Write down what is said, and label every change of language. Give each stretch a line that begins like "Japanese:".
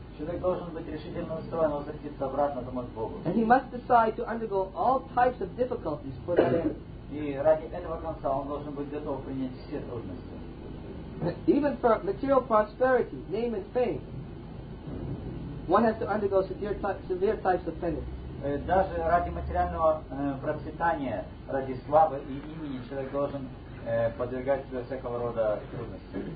Russian: Человек должен быть решительно настроен возвратиться обратно домой к Богу.
English: And he must decide to undergo all types of difficulties for that end.
Russian: И ради этого конца он должен быть готов принять все трудности.
English: Even for material prosperity, name and fame, one has to undergo severe types of penance.
Russian: Даже ради материального процветания, ради славы и имени, человек должен подвергать себя всякого рода трудностям.